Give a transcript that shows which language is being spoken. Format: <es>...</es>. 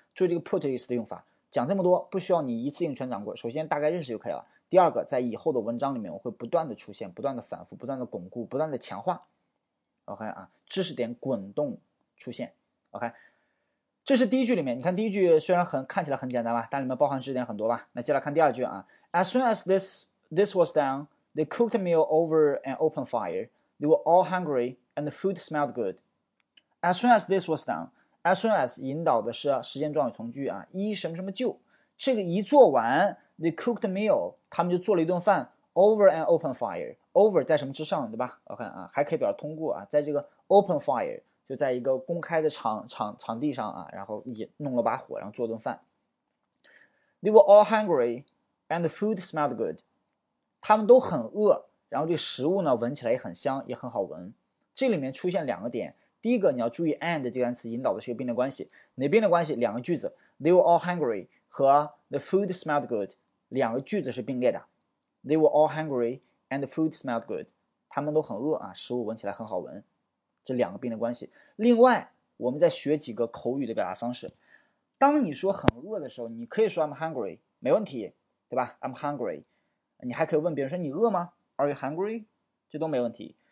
<zh>注意这个 put 意思的用法，讲这么多不需要你一次性全掌握。首先大概认识就可以了。第二个，在以后的文章里面，我会不断的出现，不断的反复，不断的巩固，不断的强化。 OK 啊，知识点滚动出现。OK，这是第一句里面，你看第一句虽然很看起来很简单吧，但里面包含知识点很多吧。那接下来看第二句啊，</zh> <en>As soon as this was done, they cooked a meal over an open fire. They were all hungry and the food smelled good. As soon as this was done。</en> <zh>As soon as 引导的是时间状语从句啊，一什么什么就，这个一做完，</zh> <en>they cooked a meal，</en> <zh>他们就做了一顿饭，</zh> <en>over an open fire，</en> <zh>over 在什么之上，对吧？OK 啊，还可以表示通过啊，在这个 open fire 就在一个公开的场地上啊，然后也弄了把火，然后做顿饭。</zh> <en>They were all hungry and the food smelled good，</en> <zh>他们都很饿，然后这个食物呢闻起来也很香，也很好闻。这里面出现两个点。第一个，你要注意 and 这个单词引导的是一个并列关系，哪边的关系？两个句子，</zh> <en>they were all hungry</en> <zh>和</zh> <en>the food smelled good</en> <zh>两个句子是并列的。</zh> <en>They were all hungry and the food smelled good，</en> <zh>他们都很饿啊，食物闻起来很好闻，这两个并列关系。另外，我们再学几个口语的表达方式。当你说很饿的时候，你可以说</zh> <en>I'm hungry，</en> <zh>没问题，对吧？I'm hungry，你还可以问别人说你饿吗？</zh> <en>Are you hungry？</en> <zh>这都没问题。</zh>